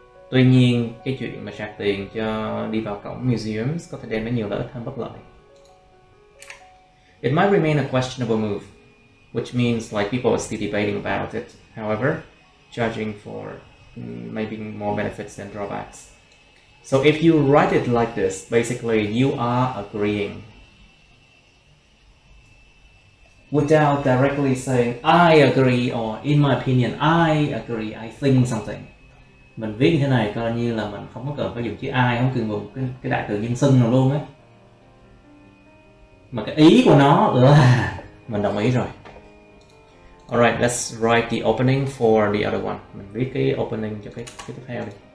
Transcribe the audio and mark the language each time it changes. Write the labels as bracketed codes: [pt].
[vi] Tuy nhiên, cái chuyện mà sạc tiền cho đi vào cổng museums có thể đem đến nhiều lợi ích hơn bất lợi. [en] It might remain a questionable move, which means like people are still debating about it. However, judging for maybe more benefits than drawbacks. So if you write it like this, basically you are agreeing. Without directly saying I agree or in my opinion I agree, I think something. [vi] Mình viết như thế này coi như là mình không có cần phải dùng chữ I, không cần dùng cái đại từ nhân xưng nào luôn á. Mà cái ý của nó là mình đồng ý rồi. [en] Alright, let's write the opening for the other one. [vi] Mình viết cái opening cho cái tiếp theo đi.